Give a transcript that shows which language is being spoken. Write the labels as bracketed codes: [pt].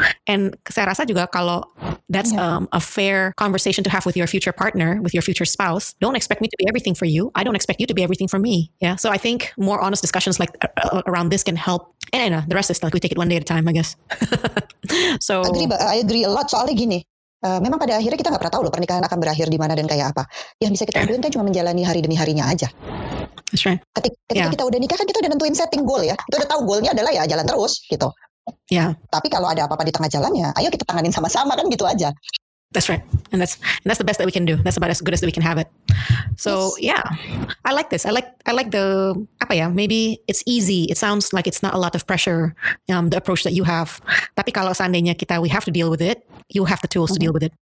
[en] And [id] saya rasa juga kalau [en] that's a fair conversation to have with your future partner, with your future spouse. Don't expect me to be everything for you. I don't expect you to be everything for me. Yeah. So I think more honest discussions like around this can help. And I know the rest is like we take it one day at a time, I guess. So I agree a lot. [id] Soalnya gini. Memang pada akhirnya kita nggak pernah tahu loh pernikahan akan berakhir di mana dan kayak apa. Yang bisa kita lakukan kan cuma menjalani hari demi harinya aja. [en] That's right. [id] Ketika kita udah nikah kan kita udah nentuin setting goal ya. Kita udah tahu goalnya adalah ya jalan terus gitu. [en] Yeah. [id] Tapi kalau ada apa-apa di tengah jalannya, ayo kita tanganin sama-sama kan gitu aja. [en] That's right. And that's the best that we can do. That's about as good as we can have it. So yeah, I like this. I like the [id] apa ya? [en] Maybe it's easy. It sounds like it's not a lot of pressure. The approach that you have. [id] Tapi kalau seandainya kita [en] we have to deal with it, you have the tools to deal with it.